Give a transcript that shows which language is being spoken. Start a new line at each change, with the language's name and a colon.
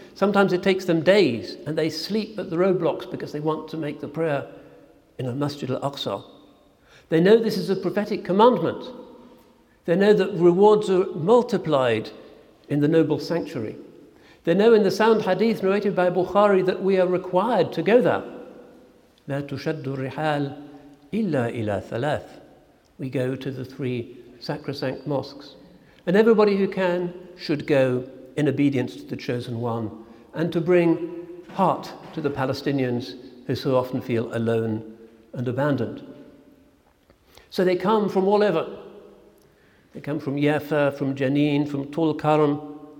English: Sometimes it takes them days and they sleep at the roadblocks because they want to make the prayer in a Masjid al-Aqsa. They know this is a prophetic commandment. They know that rewards are multiplied in the noble sanctuary. They know in the sound hadith narrated by Bukhari that we are required to go there.
Arabic: لا تشد الرحال إلا إلى ثلاث.
English: We go to the 3 sacrosanct mosques. And everybody who can should go in obedience to the chosen one and to bring heart to the Palestinians who so often feel alone and abandoned. So they come from all over. They come from Yafa, from Jenin, from Tul Karam.